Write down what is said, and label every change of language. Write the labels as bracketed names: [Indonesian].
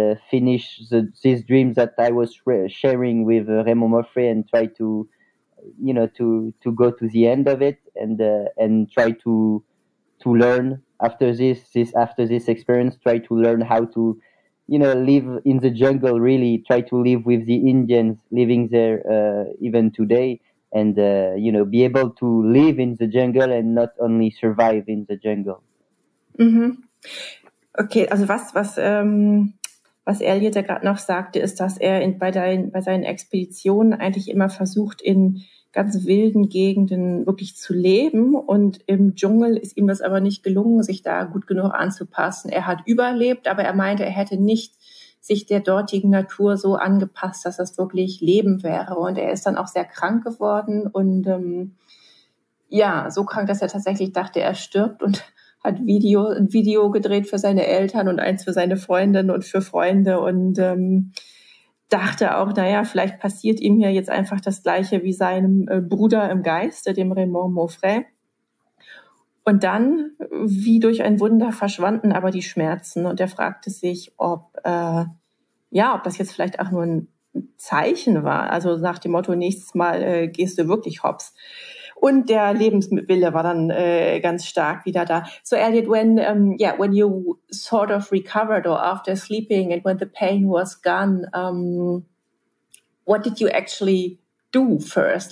[English] finish these dreams that I was sharing with Remo Moffré, and try to, you know, to go to the end of it, and try to learn after this experience, try to learn how to, you know, live in the jungle, really try to live with the Indians living there even today. And, you know, be able to live in the jungle and not only survive in the jungle. Mm-hmm. [German] Okay, also was Elliot da gerade noch sagte, ist, dass er bei seinen Expeditionen eigentlich immer versucht, in ganz wilden Gegenden wirklich zu leben. Und im Dschungel ist ihm das aber nicht gelungen, sich da gut genug anzupassen. Er hat überlebt, aber er meinte, er hätte nicht sich der dortigen Natur so angepasst, dass das wirklich Leben wäre. Und er ist dann auch sehr krank geworden und ja, so krank, dass er tatsächlich dachte, er stirbt, und hat ein Video gedreht für seine Eltern und eins für seine Freundinnen und für Freunde und dachte auch, naja, vielleicht passiert ihm hier jetzt einfach das Gleiche wie seinem Bruder im Geiste, dem Raymond Moffré. Und dann, wie durch ein Wunder, verschwanden aber die Schmerzen. Und er fragte sich, ob das jetzt vielleicht auch nur ein Zeichen war. Also nach dem Motto, nächstes Mal gehst du wirklich hops. Und der Lebenswille war dann ganz stark wieder da. [English] So Elliot, when you sort of recovered or after sleeping and when the pain was gone, what did you actually do first?